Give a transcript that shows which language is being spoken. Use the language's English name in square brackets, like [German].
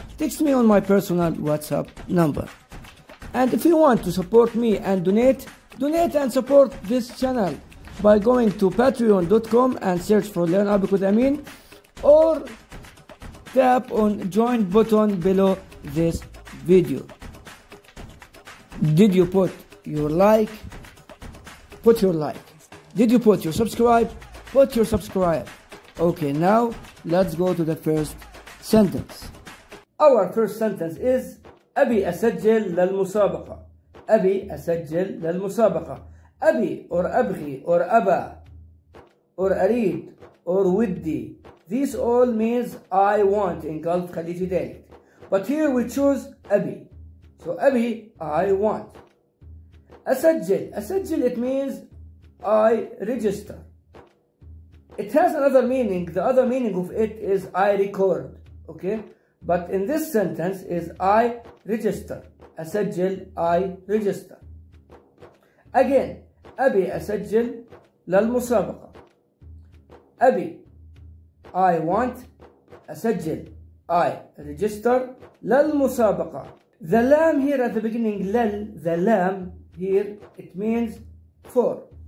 [English] Text me on my personal WhatsApp number. And if you want to support me and donate and support this channel by going to patreon.com and search for Learn Arabic with Amin, or tap on join button below this video. Did you put your like? Put your like. Did you put your subscribe? Put your subscribe. Okay, now let's go to the first sentence. Our first sentence is [Arabic] أبي أسجل للمسابقة. أبي أسجل للمسابقة. أبي or أبغي or أبا or أريد or ودي. [English] These all means I want in Gulf Khaliji dialect. But here we choose أبي. So أبي I want. أسجل. أسجل it means I register. It has another meaning. The other meaning of it is I record. Okay. But in this sentence is I register. أسجل I register. Again. [Arabic] أبي أسجل للمسابقة. [English] أبي I want أسجل I register للمسابقة. The lam here at the beginning لل, the lam here it means for.